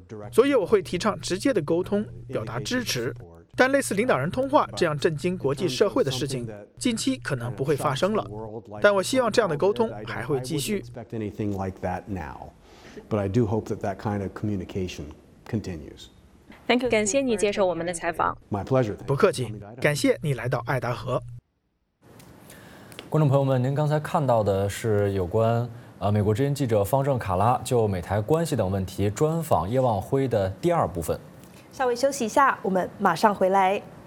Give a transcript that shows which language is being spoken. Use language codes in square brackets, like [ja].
[zh] 所以我会提倡直接的沟通，表达支持。但类似领导人通话这样震惊国际社会的事情，近期可能不会发生了。但我希望这样的沟通还会继续。 [en] But I do hope that that kind of communication continues. Thank you. [zh] 感谢你接受我们的采访。 [en] My pleasure. [zh] 不客气，感谢你来到爱达荷。观众朋友们，您刚才看到的是有关美国之音记者方正卡拉就美台关系等问题专访叶望辉的第二部分。稍微休息一下，我们马上回来。